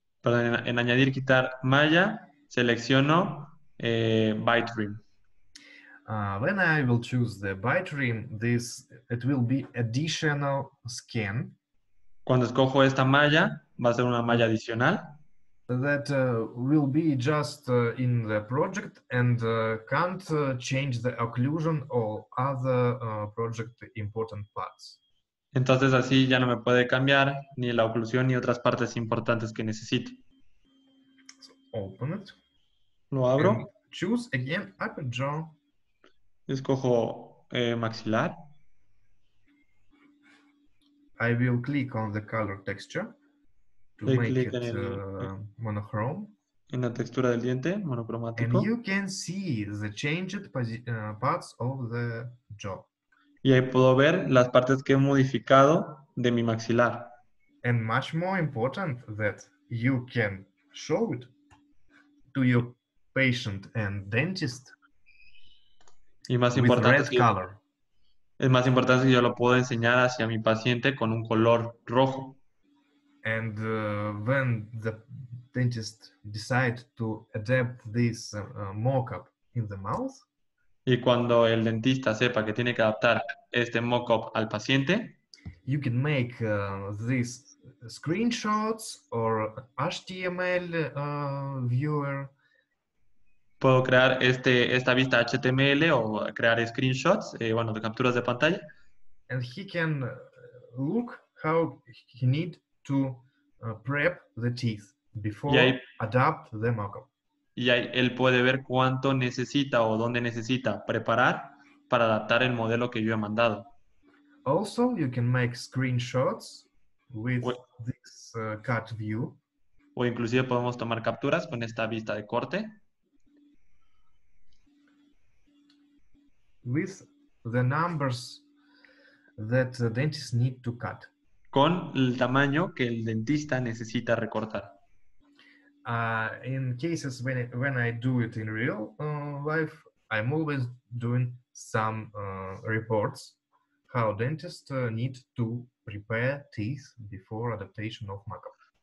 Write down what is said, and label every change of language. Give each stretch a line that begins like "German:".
Spanish: Perdón, en añadir quitar malla, selecciono bite rim.
English: When I will choose the bite rim, this it will be additional skin.
Spanish: Cuando escojo esta malla, va a ser una malla adicional.
English: That will be just in the project and can't change the occlusion or other project important parts.
Spanish: Entonces así ya no me puede cambiar ni la oclusión ni otras partes importantes que necesito.
English: So open it.
Spanish: Lo abro.
English: And choose again upper jaw.
Spanish: Escojo maxilar.
English: I will click on the color texture. To click make click it monochrome.
Spanish: En la textura del diente, monocromático.
English: And you can see the changed parts of the jaw.
Spanish: Y ahí puedo ver las partes que he modificado de mi maxilar.
English: And much more important that you can show it to your patient and dentist.
Spanish: Y más importante es, color. Es más importante que yo lo puedo enseñar hacia mi paciente con un color rojo.
English: And when the dentist decide to adapt this mock-up in the mouth.
Spanish: Y cuando el dentista sepa que tiene que adaptar este mock-up al paciente.
English: You can make these screenshots or HTML viewer.
Spanish: Puedo crear esta vista HTML o crear screenshots, bueno, de capturas de pantalla.
English: And he can look how he need to prep the teeth before
Spanish: ahí,
English: adapt the mockup.
Spanish: Y ahí él puede ver cuánto necesita o dónde necesita preparar para adaptar el modelo que yo he mandado.
English: Also, you can make screenshots with this cut view.
Spanish: O inclusive podemos tomar capturas con esta vista de corte.
English: With the numbers that the dentist need to cut.
Spanish: Con el tamaño que el dentista necesita recortar.
English: In cases when I do it in real life, I'm always doing some reports how dentists need to prepare teeth before adaptation of mock-up.